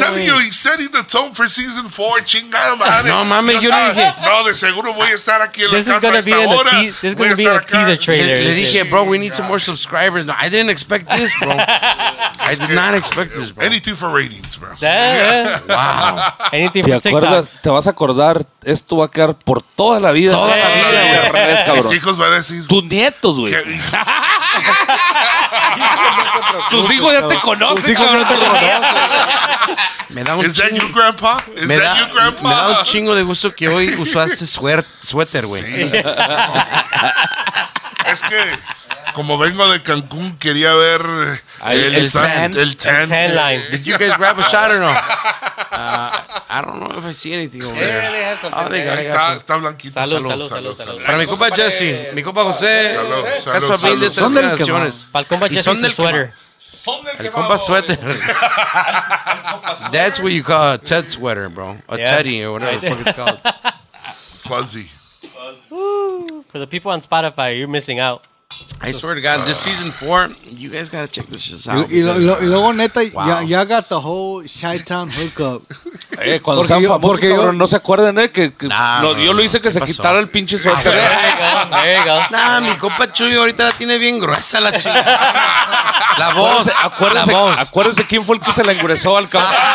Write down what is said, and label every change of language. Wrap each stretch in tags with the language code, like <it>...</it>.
<en>I'm telling you, he's setting the tone for season 4.</en> <es>Chingada, man. No mames, yo le dije. No, de seguro voy a estar aquí en la casa a esta hora.</es> <en>This is going to be a teaser trailer.</en> <es>Le dije,</es> <en>bro, we need some more subscribers. No, I didn't expect this, bro. I did not expect this, bro. Anything for ratings, bro. Wow. Anything for TikTok.</en> <es>Te vas a acordar. Esto va a quedar por toda la vida. Toda la vida, güey. Mis hijos van a decir. Tus nietos, güey. Tus hijos ya te conocen. Tus hijos no te conocen. Me da un</es> <en>chingo. ¿Es that you, grandpa? ¿Es that you, grandpa?</en> <es>Me da un chingo de gusto que hoy usaste suéter, güey. Sí. Es que, como vengo de Cancún, quería ver. El 10 line.</es> <en>Did you guys grab a shot or no? I don't know if I see anything over there. Yeah, they have</en> <es>something. Está blanquito. Salud. Para mi compa Jesse, mi compa José. Salud. Son del que para el compa Jesse. Son del sweater. El compa sweater.</es> <en>That's what you call a Ted sweater, bro. A Teddy or whatever the fuck it's called. Fuzzy. For the people on Spotify, you're missing out. I swear to God, this season four, you guys gotta check this shit out.</en> <es>Y luego, neta,</es> <en>ya got the whole Chi-Town hookup.</en> <es>Cuando sean famosos, cabrón, no se acuerden, que yo lo hice que se quitara el pinche suéter. Nah, mi compa Chuy ahorita la tiene bien gruesa la chica. La voz. Acuérdense quién fue el que se la engruesó al cabrón.</es>